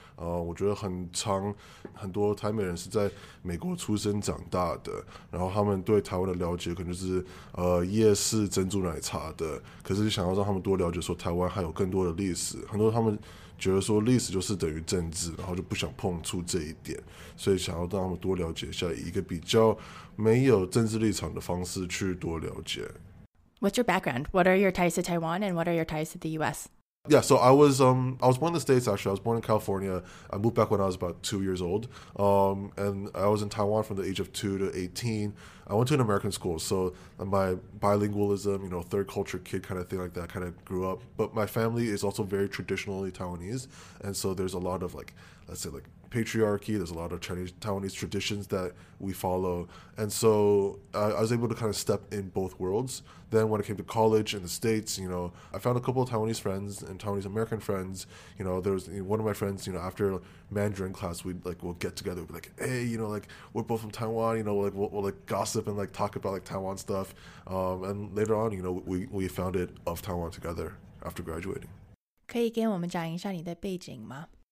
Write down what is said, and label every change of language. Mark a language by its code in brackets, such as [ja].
[zh] 我觉得很多台美人是在美国出生长大的，然后他们对台湾的了解可能就是夜市珍珠奶茶的，可是想要让他们多了解说台湾还有更多的历史，很多他们觉得说历史就是等于政治，然后就不想碰触这一点，所以想要让他们多了解一下，以一个比较没有政治立场的方式去多了解。 [en] What's your background? What are your ties to Taiwan and what are your ties to the U.S.? Yeah, so I was born in the States, actually. I was born in California. I moved back when I was about 2 years old. And I was in Taiwan from the age of 2 to 18. I went to an American school, so my bilingualism, you know, third culture kid kind of thing like that kind of grew up. But my family is also very traditionally Taiwanese, and so there's a lot of, like, let's say, like, patriarchy. There's a lot of Chinese Taiwanese traditions that we follow. And so I was able to kind of step in both worlds. Then when I came to college in the States, you know, I found a couple of Taiwanese friends and Taiwanese American friends. You know, there was one of my friends, you know, after Mandarin class, we'll get together, we'd be like, hey, you know, like, we're both from Taiwan, you know, like, we'll like gossip and like talk about like Taiwan stuff. And later on, you know, we founded of Taiwan together after graduating. [zh] 可以给我们讲一下你的背景吗？